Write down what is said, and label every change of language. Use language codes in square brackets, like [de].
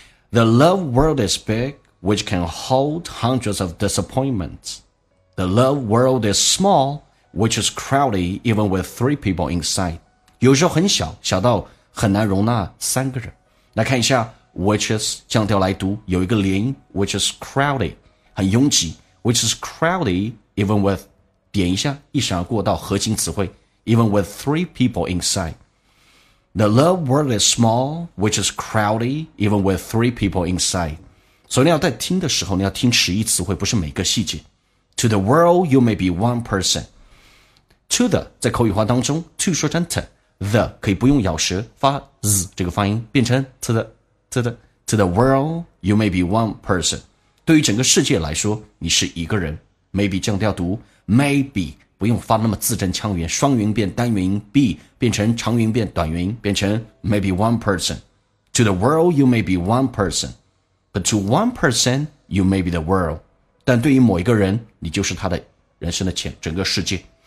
[en] The love world is big, which can hold hundreds of disappointments. The love world is small, which is crowded even with three people in sight. [zh] 有时候很小，小到很难容纳三个人。来看一下 [en] which is [zh] 降调来读，有一个连音 [en] which is crowded, [zh] 很拥挤 [en] which is crowded even with, [zh] 点一下一闪而过到核心词汇 [en] even with three people inside. The love world is small, which is crowded even with three people inside. [zh] 所以你要在听的时候你要听时宜词汇，不是每个细节。 [en] To the world, you may be one person. [zh] To the, 在口语化当中 to 说成 to,The 可以不用咬舌发 z 这个发音，变成 [en] to the world you may be one person. [zh] 对于整个世界来说你是一个人， maybe 降调读 maybe 不用发那么字正腔圆，双元变单元音 b 变成长元变短元音，变成 [en] maybe one person. To the world you may be one person, but to one person you may be the world. [zh] 但对于某一个人你就是他的人生的前整个世界。